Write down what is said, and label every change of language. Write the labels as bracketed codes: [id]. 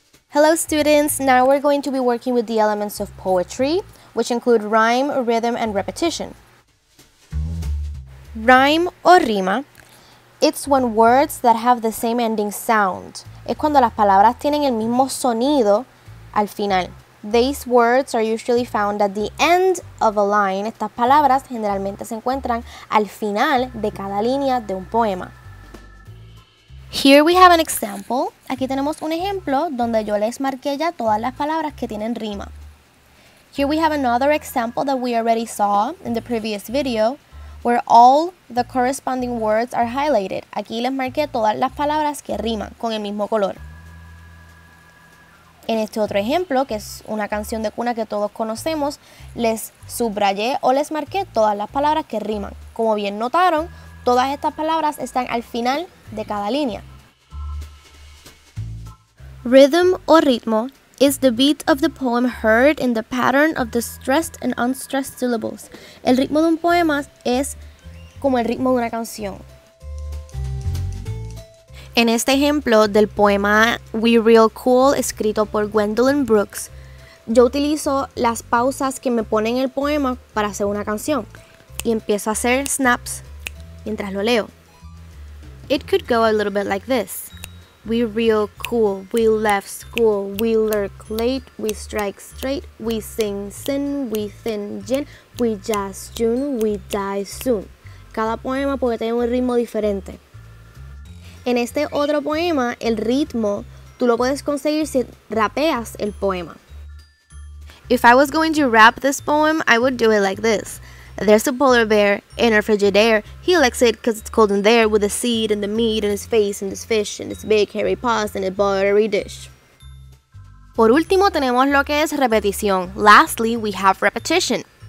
[en] Hello students, now we're going to be working with the elements of poetry, which include rhyme, rhythm, and repetition. Rhyme or rima, it's when words that have the same ending sound. [es] Es cuando las palabras tienen el mismo sonido al final. [en] These words are usually found at the end of a line. [es] Estas palabras generalmente se encuentran al final de cada línea de un poema. [en] Here we have an example. [es] Aquí tenemos un ejemplo donde yo les marqué ya todas las palabras que tienen rima. [en] Here we have another example that we already saw in the previous video, where all the corresponding words are highlighted. [es] Aquí les marqué todas las palabras que riman con el mismo color. En este otro ejemplo, que es una canción de cuna que todos conocemos, les subrayé o les marqué todas las palabras que riman. Como bien notaron, todas estas palabras están al final de cada línea. [en] Rhythm [es] o ritmo [en] is the beat of the poem heard in the pattern of the stressed and unstressed syllables. [es] El ritmo de un poema es como el ritmo de una canción. En este ejemplo del poema We Real Cool, escrito por Gwendolyn Brooks, yo utilizo las pausas que me pone en el poema para hacer una canción y empiezo a hacer snaps mientras lo leo. [en] It could go a little bit like this. We real cool, we left school, we lurk late, we strike straight, we sing sin, we thin gin, we jazz tune, we die soon. [es] Cada poema puede tener un ritmo diferente. En este otro poema, el ritmo, tú lo puedes conseguir si rapeas el poema. [en] If I was going to rap this poem, I would do it like this. There's a polar bear in a Frigidaire. He likes it because it's cold in there, with the seed and the meat and his face and his fish and his big hairy paws and a buttery dish. [es] Por último, tenemos lo que es repetición. [en] Lastly, we have repetition.